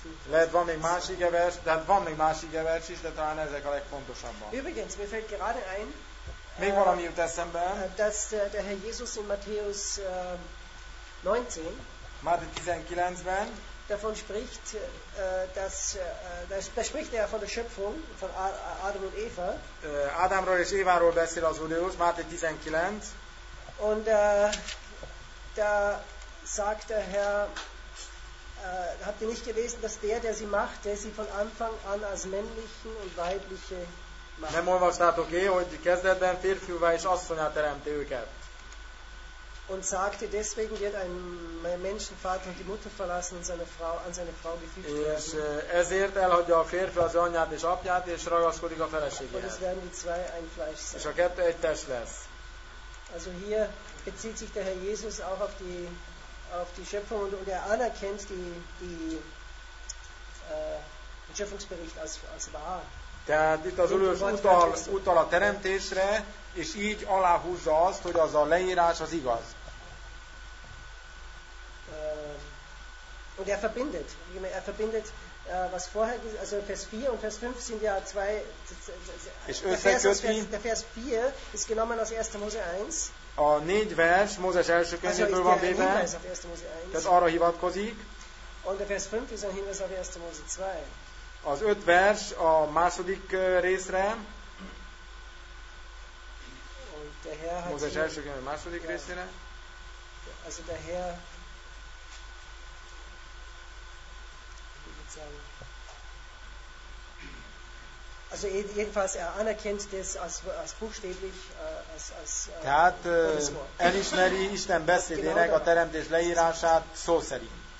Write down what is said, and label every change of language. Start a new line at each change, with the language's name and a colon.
Hungarian: Lehet van még más ige vers, de van még más ige vers is, de talán ezek a legfontosabbak.
German: Übrigens, mir fällt gerade ein,
Hungarian: még valami jut eszembe,
German: dass der Herr Jesus in Matthäus 19,
Hungarian: Máté 19-ben,
German: davon spricht, dass da spricht er von der Schöpfung von Adam und Eva.
Hungarian: Adamról és Éváról beszél az Úr Jézus, Máté 19.
German: Und da sagt der Herr, habt ihr nicht gelesen, dass der sie macht, der sie von Anfang an als männlichen und weibliche macht.
Hungarian: Nem olvastátok én, hogy kezdetben férfiúvá és asszonyá teremti őket.
German: Und sagte, deswegen wird ein Menschenvater die Mutter verlassen und an seine Frau gefügt werden.
Hungarian: És ezért elhagyja a férfi az anyját és apját, és ragaszkodik a feleségéhez.
German: Und es werden die zwei ein Fleisch sein.
Hungarian: És a kettő egy test lesz.
German: Also hier bezieht sich der Herr Jesus auch auf die Schöpfung und er anerkennt den Schöpfungsbericht als wahr.
Hungarian: Tehát itt az Úrös utal a teremtésre, és így aláhúzza azt, hogy az a leírás az igaz.
German: Und er verbindet. Er verbindet, was vorher, also Vers 4 und Vers 5 sind ja zwei...
Hungarian: És összeköti...
German: Der Vers 4 ist genommen aus 1. Mose 1.
Hungarian: A 4 vers Mózes első könyvéből van véve. Tehát arra hivatkozik.
German: Und Vers 5 ist ein Hinweis auf 1. Mose 2.
Hungarian: Az öt vers a második részre. Mózes első könyve második részére.
German: Also der Herr. Also jedenfalls er anerkennt das als buchstäblich als
Hungarian: tehát elismeri Isten beszédének a teremtés leírását szó szerint.